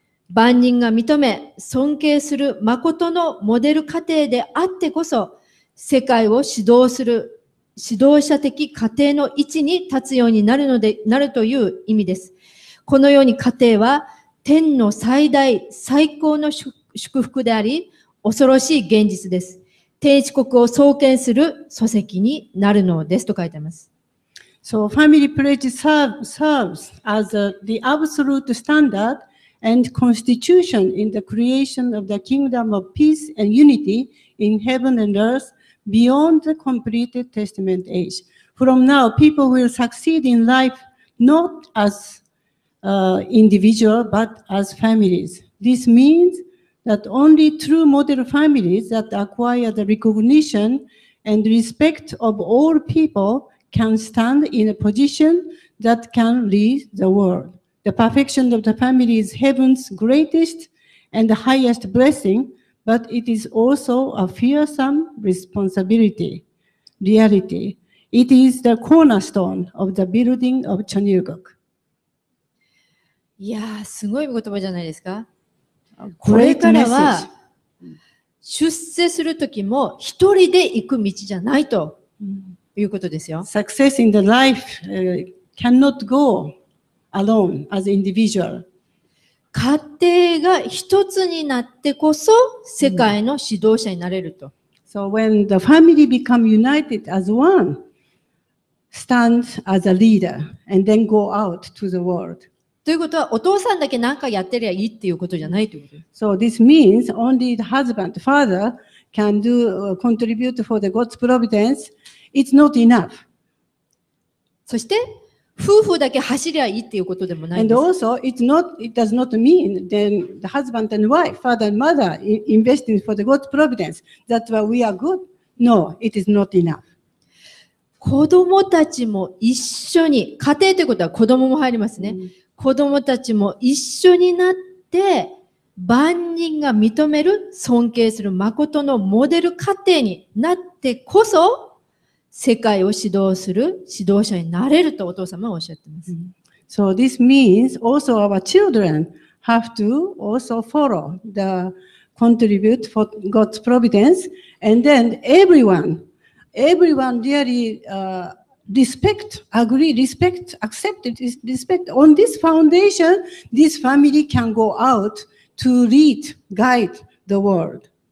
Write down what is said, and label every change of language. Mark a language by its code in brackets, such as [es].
[ja] 万人が認め、尊敬する誠のモデル家庭であってこそ、世界を指導する指導者的家庭の位置に立つようになるのでなるという意味です。このように家庭は天の最大最高の祝福であり、恐ろしい現実です。天一国を創建する礎石になるのですと書いてあります。 [en] So family pledge serves as the absolute standard and constitution in the creation of the kingdom of peace and unity in heaven and earth beyond the completed testament age. From now, people will succeed in life not as individual but as families. This means that only true model families that acquire the recognition and respect of all peopleCan stand in a position that can lead the world. The perfection of the family is heaven's greatest and the highest blessing, but it is also a fearsome responsibility. Reality. It is the cornerstone of the building of Chonilgok. [ja] いやー、すごい言葉じゃないですか。これからは出世する時も一人で行く道じゃないと。いうことですよ。 [en] Success in the life cannot go alone as individual. [ja] 家庭が一つになってこそ世界の指導者になれると。 [en] So when the family become united as one, stand as a leader and then go out to the world. [ja] ということはお父さんだけ何かやってりゃいいっていうことじゃないということ。 [en] So this means only the husband, father can do contribute for the God's providence. It's not enough. [ja] そして夫婦だけ走りゃいいっていうことでもないんです。 [en] And also, it does not mean then the husband and wife, father and mother investing for the God's providence. That's why we are good. No, it is not enough. [ja] 子供たちも一緒に、家庭ということは子供も入りますね。子供たちも一緒になって万人が認める、尊敬する誠のモデル家庭になってこそ世界を指導する指導者になれるとお父様はおっしゃっています。 [en] So this means also our children have to also follow the contribute for God's providence and then everyone really respect on this foundation this family can go out to lead, guide the world.